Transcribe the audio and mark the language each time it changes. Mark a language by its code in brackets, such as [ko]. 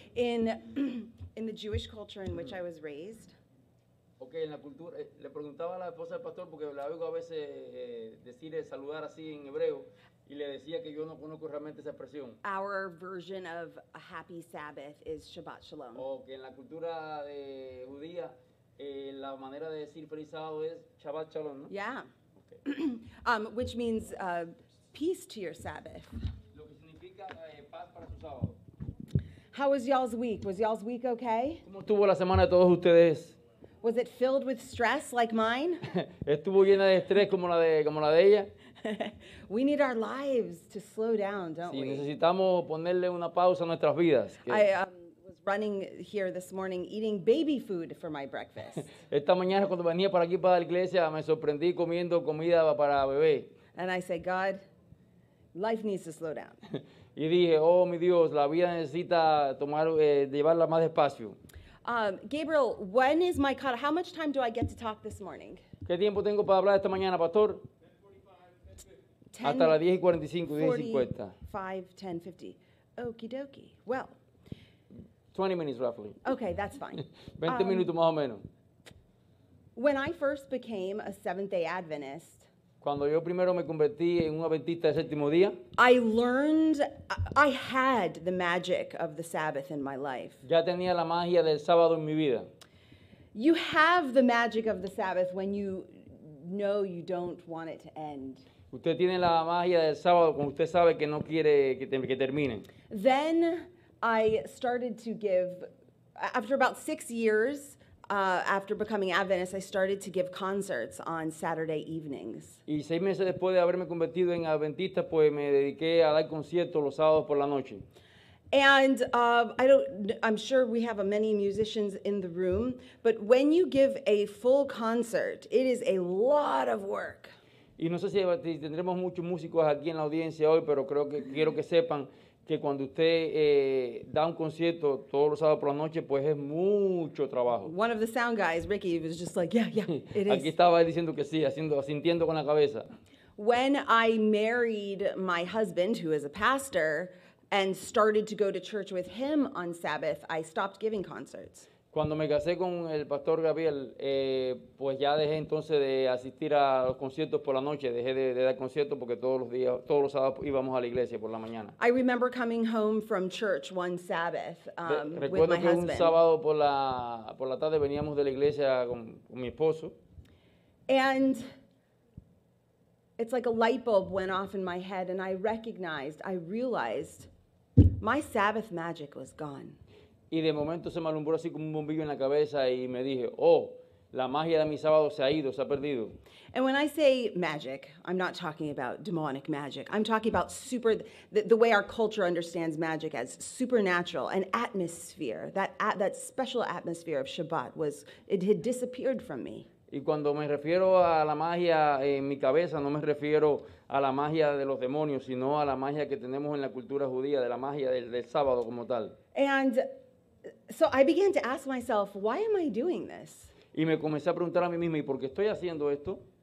[en] In the Jewish culture in which I was raised. [es] Okay, en la cultura, le preguntaba a la esposa del pastor porque la oigo a veces decir saludar así en hebreo y le decía que yo no conozco realmente esa expresión. [en] Our version of a happy Sabbath is Shabbat Shalom. [es] Okay, en la cultura de judía, la manera de decir feliz sábado es Shabbat Shalom, ¿no? [en] Yeah. Okay. which means peace to your Sabbath. [es] Lo que significa, paz para su sábado. [en] How was y'all's week? Was y'all's week okay? [es] ¿Cómo estuvo la semana de todos ustedes? [en] Was it filled with stress like mine? [es] Estuvo llena de estrés como la de ella. [en] We need our lives to slow down, don't [es] sí, [en] we? [es] Necesitamos ponerle una pausa a nuestras vidas. [en] Running here this morning, eating baby food for my breakfast. [es] Esta mañana cuando venía para aquí para la iglesia, me sorprendí comiendo comida para bebé. [en] And I say, God, life needs to slow down. [es] Y dije, oh mi Dios, la vida necesita tomar, llevarla más despacio. [en] Gabriel, when is my cut? How much time do I get to talk this morning? [es] ¿Qué tiempo tengo para hablar esta mañana, pastor? [en] 10:45. [es] Hasta las 10:45, 10:50. [en] 5:10:50. Okie dokie. Well. 20 minutes, roughly. Okay, that's fine. [es] 20 minutos, más o menos. [en] When I first became a Seventh-day Adventist, [es] cuando yo primero me convertí en un adventista del séptimo día, [en] I learned, I had the magic of the Sabbath in my life. [es] Ya tenía la magia del sábado en mi vida. [en] You have the magic of the Sabbath when you know you don't want it to end. [es] Usted tiene la magia del sábado cuando usted sabe que no quiere que termine. [en] Then I started to give, after about 6 years, after becoming Adventist, I started to give concerts on Saturday evenings. [es] Y 6 meses después de haberme convertido en Adventista, pues me dediqué a dar conciertos los sábados por la noche. [en] And I'm sure we have many musicians in the room, but when you give a full concert, it is a lot of work. [es] Y no sé si tendremos muchos músicos aquí en la audiencia hoy, pero creo que quiero que sepan que cuando usted da un concierto todos los sábados por la noche, pues es mucho trabajo. [en] One of the sound guys, Ricky, was just like, yeah, yeah, it is. [es] Aquí estaba diciendo que sí, asintiendo con la cabeza. [en] When I married my husband, who is a pastor, and started to go to church with him on Sabbath, I stopped giving concerts. [es] Cuando me casé con el pastor Gabriel, pues ya dejé entonces de asistir a los conciertos por la noche. Dejé de dar conciertos porque todos los sábados íbamos a la iglesia por la mañana. [en] I remember coming home from church one Sabbath with my husband. [es] Recuerdo que un sábado por la tarde veníamos de la iglesia con mi esposo. [en] And it's like a light bulb went off in my head and I realized my Sabbath magic was gone. [es] Y de momento se me alumbró así como un bombillo en la cabeza y me dije, oh, la magia de mi sábado se ha ido, se ha perdido. [en] And when I say magic, I'm not talking about demonic magic. I'm talking about the way our culture understands magic as supernatural, an atmosphere, that special atmosphere of Shabbat was, it had disappeared from me. [es] Y cuando me refiero a la magia en mi cabeza, no me refiero a la magia de los demonios, sino a la magia que tenemos en la cultura judía, de la magia del sábado como tal. [en] And so I began to ask myself, why am I doing this? [es] Y me comencé a preguntar a mí mismo, ¿y por qué estoy haciendo esto?